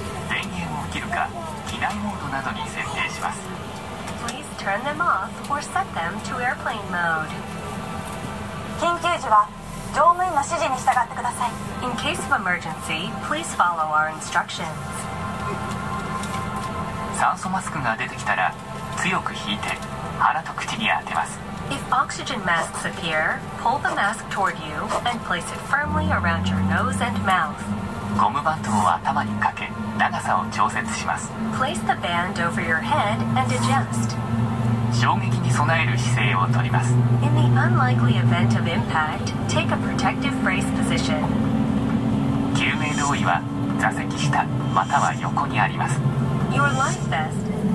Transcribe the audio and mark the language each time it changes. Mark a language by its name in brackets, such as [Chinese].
[Japanese] 電源を切るか、機内モードなどに設定します。 [English] Please turn them off or set them to airplane mode. [Japanese] 緊急時は乗務員の指示に従ってください。 [English] In case of emergency, please follow our instructions. [Japanese] 酸素マスクが出てきたら、強く引いて鼻と口に当てます。 [English] If oxygen masks appear, pull the mask toward you and place it firmly around your nose and mouth. [Japanese] ゴムバンドを頭にかけ、長さを調節します。 [English] Place the band over your head and adjust. [Japanese] 衝撃に備える姿勢をとります。 [English] In the unlikely event of impact, take a protective brace position. [Japanese] 救命胴衣は座席下または横にあります。 [English] Your life vest.